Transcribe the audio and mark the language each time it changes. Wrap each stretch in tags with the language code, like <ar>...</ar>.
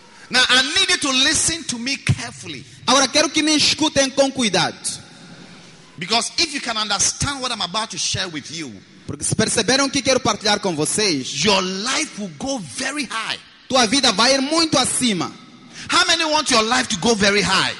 <en>Now I need you to listen to me carefully.</en> <pt>Agora quero que me escutem com cuidado.</pt> <en>Because if you can understand what I'm about to share with you.</en> <pt>Porque se perceberam o que quero partilhar com vocês,</pt> <en>your life will go very high.</en> <pt>Tua vida vai ir muito acima.</pt> <en>How many want your life to go very high?</en>